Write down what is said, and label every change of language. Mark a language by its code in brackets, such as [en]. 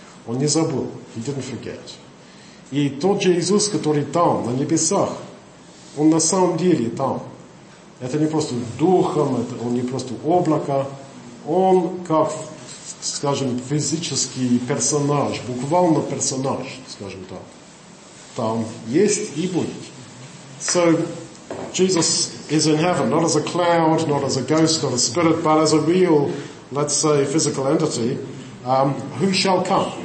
[ru] Он не забыл, [en] he didn't forget. [ru] И тот же Иисус, который там, на небесах, он на самом деле там. Это не просто духом, это он не просто облако, он как скажем, физический персонаж, буквально персонаж, скажем так. Там есть и будет. [en] So, Jesus is in heaven, not as a cloud, not as a ghost, not as a spirit, but as a real, let's say, physical entity, who shall come?